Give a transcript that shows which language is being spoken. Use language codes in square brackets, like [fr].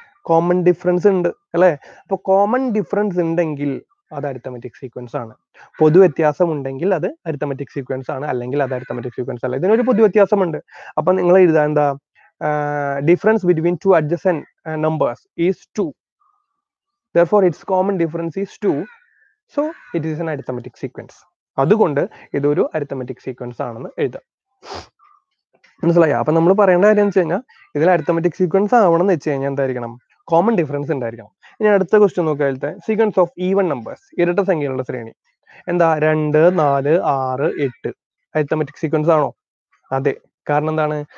[ml] Common difference ഉണ്ട് അല്ലെ. അപ്പൊ കോമൺ ഡിഫറൻസ് ഉണ്ടെങ്കിൽ അത് അരിത്തമെറ്റിക് സീക്വൻസ് ആണ്. പൊതു വ്യത്യാസം ഉണ്ടെങ്കിൽ അത് അരിത്തമെറ്റിക് സീക്വൻസ് ആണ്, അല്ലെങ്കിൽ അത് അരിത്തമെറ്റിക് സീക്വൻസ് അല്ല. ഇതിനൊരു പൊതു വ്യത്യാസമുണ്ട്. അപ്പൊ നിങ്ങൾ എഴുതാ എന്താ, [en] Difference between 2 adjacent numbers is 2. Therefore, its common difference is 2. So, it is an arithmetic sequence. [ml] അതുകൊണ്ട് ഇതൊരു അരിത്തമെറ്റിക് സീക്വൻസ് ആണെന്ന് എഴുതാം, മനസ്സിലായോ? അപ്പൊ നമ്മൾ പറയേണ്ട കാര്യം എന്ന് വെച്ച് കഴിഞ്ഞാൽ, ഇതിൽ അരിത്തമെറ്റിക് സീക്വൻസ് ആവണം എന്ന് വെച്ച് കഴിഞ്ഞാൽ എന്തായിരിക്കണം? കോമൺ ഡിഫറൻസ് ഉണ്ടായിരിക്കണം. ഇനി അടുത്ത ക്വസ്റ്റ്യൻ നോക്കിയാൽ, [en] sequence of even numbers, [ml] ഇരട്ട സംഖ്യകളുടെ ശ്രേണി എന്താ? 2, 4, 6, 8 അരിത്തമെറ്റിക് സീക്വൻസ് ആണോ? അതെ. കാരണം എന്താണ്?